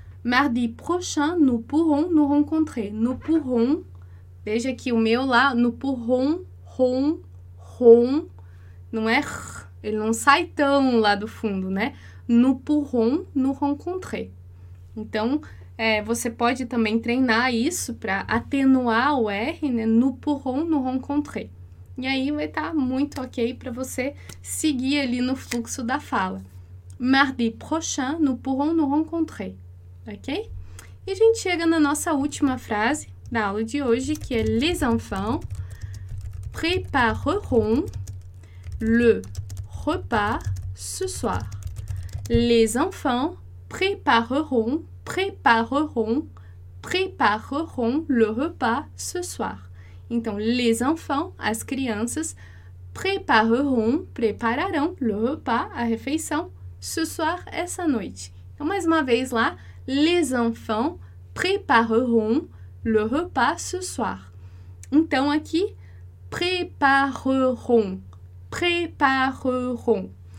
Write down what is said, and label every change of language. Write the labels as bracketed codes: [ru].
[fr] Mardi prochain, nous pourrons nous rencontrer. Nous pourrons, [pt] veja aqui o meu lá, [fr] nous pourrons, [pt] não é R, ele não sai tão lá do fundo, né? [fr] Nous pourrons nous rencontrer. [pt] Então, você pode também treinar isso para atenuar o R, né? [fr] Nous pourrons nous rencontrer. [pt] E aí vai estar muito ok para você seguir ali no fluxo da fala. [fr] Mardi prochain, nous pourrons nous rencontrer, ok? [pt] E a gente chega na nossa última frase da aula de hoje, que é [fr] les enfants prépareront le repas ce soir. Les enfants prépareront le repas ce soir. [pt] Então, [fr] les enfants, [pt] as crianças, prepararão [fr] le repas, [pt] a refeição, [fr] ce soir, [pt] essa noite. Então, mais uma vez lá, [fr] les enfants prépareront le repas ce soir. [pt] Então, aqui, prépareront.